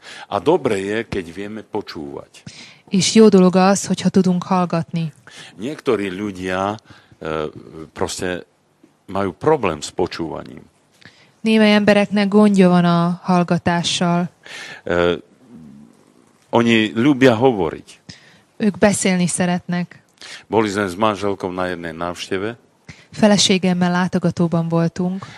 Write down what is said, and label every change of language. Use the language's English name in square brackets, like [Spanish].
[Slovak] A dobre je, keď vieme počúvať. [Hungarian] És jó dolog az, hogyha tudunk hallgatni. [Slovak] Niektorí ľudia proste majú problém s počúvaním. [Hungarian] Némely embereknek gondja van a hallgatással. [Slovak] Oni ľúbia hovoriť. [Hungarian] Ők beszélni szeretnek. [Slovak] Boli sme s manželkou na jednej návšteve. [Hungarian] Feleségemmel látogatóban voltunk.